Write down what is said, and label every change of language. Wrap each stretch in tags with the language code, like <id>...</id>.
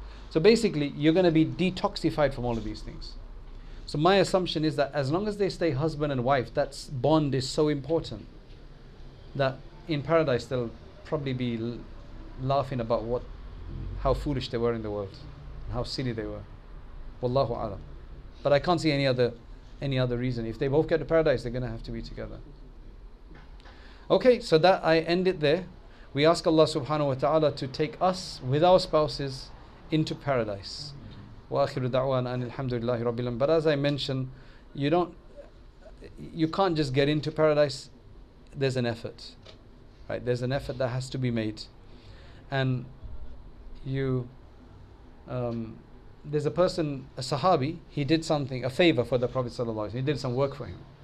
<en>So basically, you're going to be detoxified from all of these things. So my assumption is that as long as they stay husband and wife, that bond is so important that in paradise they'll probably be laughing about how foolish they were in the world, and how silly they were. Wallahu alam. But I can't see any other reason. If they both get to paradise, they're going to have to be together. Okay, so that, I end it there. We ask Allah subhanahu wa ta'ala to take us with our spouses into paradise.</en> <ar>وآخر دعوانا أن الحمد لله رب العالمين.</ar> <en>But as I mentioned, you can't just get into paradise. There's an effort, right? There's an effort that has to be made, and there's a person, a Sahabi, he did something, a favor for the Prophet sallallahu alaihi wasallam. He did some work for him.</en>